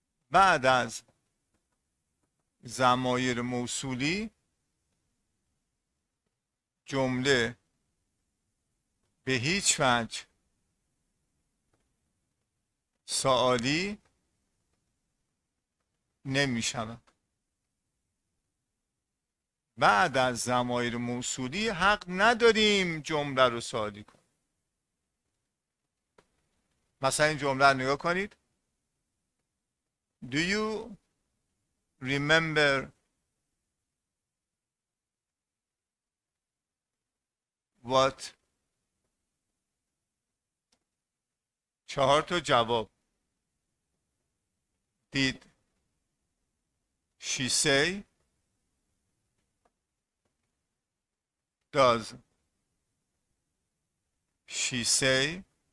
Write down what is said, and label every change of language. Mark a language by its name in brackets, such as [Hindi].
[Persian] بعد از ضمایر موصولی جمله به هیچ وجه سوالی نمی شود. بعد از ضمایر موصولی حق نداریم جمله رو سوالی کنیم. مثلا این جمله رو نگاه کنید. [English] Do you remember what؟ [Persian] چهار تا جواب. [English] Did she say؟ Does she say؟